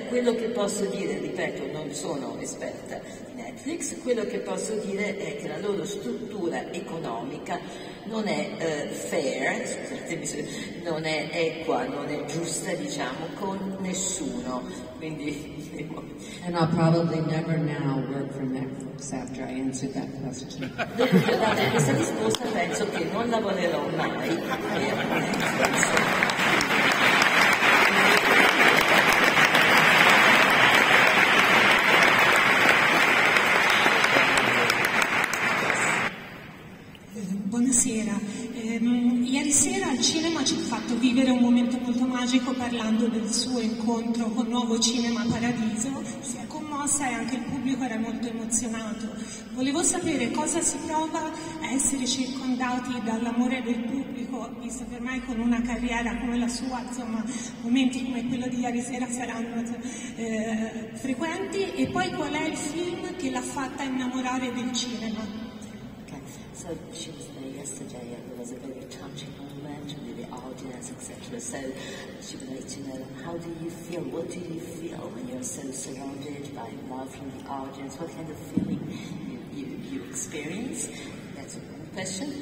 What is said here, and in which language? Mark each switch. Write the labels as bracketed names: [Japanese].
[Italian] Quello che posso dire, ripeto, non sono esperta di Netflix, quello che posso dire è che la loro struttura economica non è fair, scusatemi, non è equa, non è giusta, diciamo, con nessuno. Quindi, [English] and I'll probably never now work for Netflix after I answered that question. [Italian] Dare questa risposta, penso che non lavorerò mai. Buonasera. Ieri sera al cinema ci ha fatto vivere un momento molto magico parlando del suo incontro con Nuovo Cinema Paradiso. Si è commossa e anche il pubblico era molto emozionato. Volevo sapere cosa si prova a essere circondati dall'amore del pubblico, visto che ormai con una carriera come la sua, insomma, momenti come quello di ieri sera saranno frequenti. E poi qual è il film che l'ha fatta innamorare del cinema? [English] So she was there yesterday and there was a very touching moment with the audience, etc. So she would like to know, how do you feel? What do you feel when you're so surrounded by love from the audience? What kind of feeling you experience? That's one question.